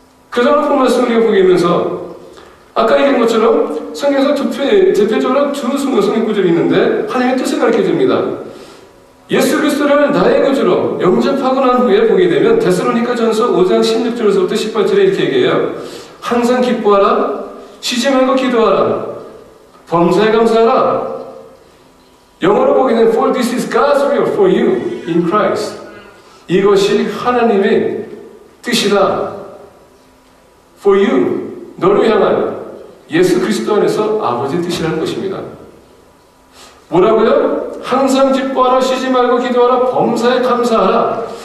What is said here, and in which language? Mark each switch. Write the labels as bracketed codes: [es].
[ko] 그 정도 말씀을 보면서 아까 얘기한 것처럼 성경에서 대표적으로 두 성경 구절이 있는데 하나님의 뜻을 가르쳐줍니다. 예수 그리스도를 나의 구주로 영접하고 난 후에 보게 되면 데살로니가 전서 5장 16절에서부터 18절에 이렇게 얘기해요. 항상 기뻐하라, 쉬지 말고 기도하라, 범사에 감사하라. 영어로 보기에는 [en] For this is God's will for you in Christ. [ko] 이것이 하나님의 뜻이다. [en] For you, [ko] 너를 향한 예수 그리스도 안에서 아버지의 뜻이라는 것입니다. 뭐라고요? 항상 기뻐하라, 쉬지 말고 기도하라, 범사에 감사하라.